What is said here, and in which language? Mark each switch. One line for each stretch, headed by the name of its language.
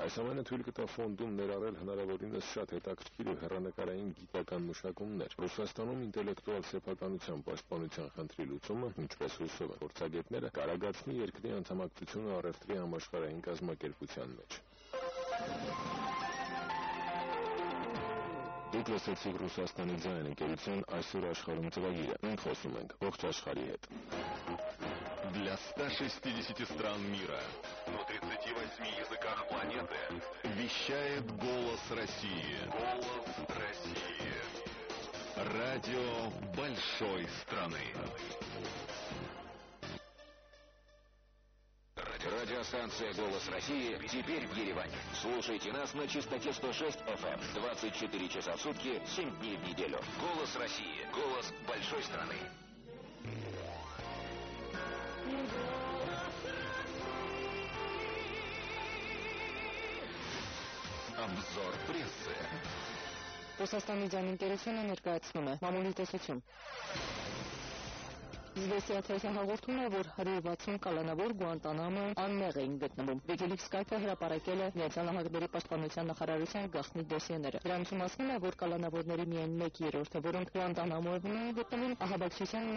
Armenian: Այս ամենը թույլ կտա ֆոնդում ներառել հնարավորինս շատ հետաքրքիր ու հեռանկարային գիտական մշակումներ։ Ռուսաստանում ինտելեկտուալ սեփականության պաշտպանության խնդրի լուծումը, ինչպես հուսով են գործագետները, կարագացնի երկրի անդամակցությունը առևտրի համաշխարհային կազմակերպության մեջ։ Դուք լսեցիք Ռուսաստանի ձայն ընկերության այսօր աշխարհում ծրագիրը, մենք խոսում ենք ողջ աշխարհի հետ։
Russian: Для 160 стран мира, на 38 языках планеты, вещает «Голос России». «Голос России». Радио большой страны. Радиостанция «Голос России» теперь в Ереване. Слушайте нас на частоте 106 FM. 24 часа в сутки, 7 дней в неделю. «Голос России». Голос большой страны. Обзор прессы. Посостанный день интересен, энергоотсмена. Мамули, ты сочем.
Armenian: Զվեստիաթերթը հաղորդում է, որ 160 կալանավոր Գուանտանամը անմեղ էին գտնվում։ Վիկիլիկ Սկայպը հրապարակել է Միացյալ Նահանգների Պաշտպանության նախարարության գաղտնի դոսիեները։ Դրանց մասին է, որ կալանավորների միայն 1/3-ը, որոնք Գուանտանամոյում էին գտնվում, ահաբեկչության